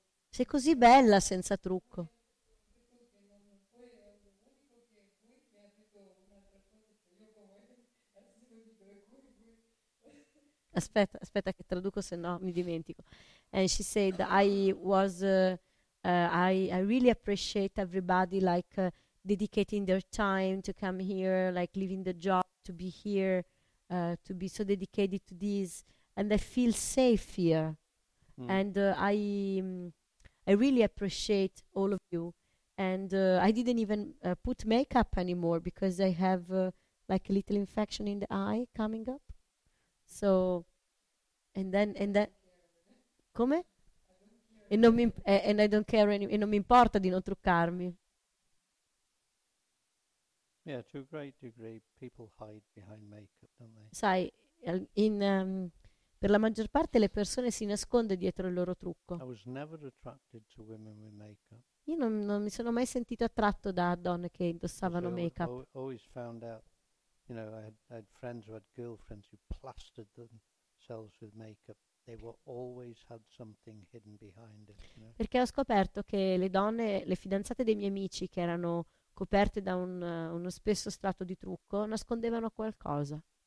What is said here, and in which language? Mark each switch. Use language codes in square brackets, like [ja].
[it] Sei così bella senza trucco. Aspetta, aspetta che traduco, se no mi dimentico. [en] And she said, I really appreciate everybody like dedicating their time to come here, like leaving the job to be here, to be so dedicated to this, and I feel safe here. Mm. And I really appreciate all of you. And I didn't even put makeup anymore because I have like a little infection in the eye coming up. So, and then, come? And I don't care any, [it] e non mi importa di non truccarmi. [en] Yeah, to a great degree, people hide behind makeup, don't they? [it] Sai, per la maggior parte le persone si nasconde dietro il loro trucco. [en] I was never attracted to women with makeup. [it] Io non mi sono mai sentito attratto da donne che indossavano makeup. [en] I always found out, you know, I had friends who had girlfriends who plastered themselves with makeup. They were always had something hidden behind it, you know? [it] Perché ho scoperto che le donne, le fidanzate dei miei amici, che erano coperte da uno spesso strato di trucco, nascondevano qualcosa.